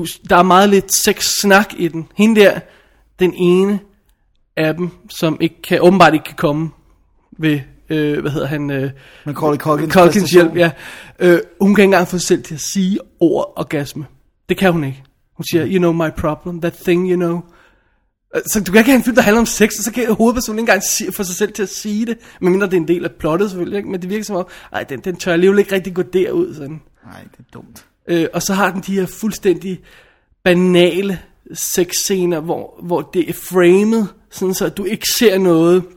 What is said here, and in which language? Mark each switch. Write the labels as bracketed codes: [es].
[da] Der er meget lidt sexsnak i den. Hende der, den ene af dem, som ikke kan, åbenbart ikke kan komme ved, hvad hedder han? Macaulay Culkins præstation. Hjælp, ja. Hun kan ikke engang få sig selv til at sige ord orgasme. Det kan hun ikke. Hun siger, [en] you know my problem, that thing you know. [da] Så du kan ikke have en film, der handler om sex, og så kan hovedpersonen ikke engang få sig selv til at sige det, medmindre det er en del af plottet selvfølgelig, ikke? Men det virker som om, ej, den tør alligevel ikke rigtig gå derud sådan. Nej, det er dumt. Og så har den de her fuldstændig banale sexscener, hvor det er framet, sådan så du ikke ser noget.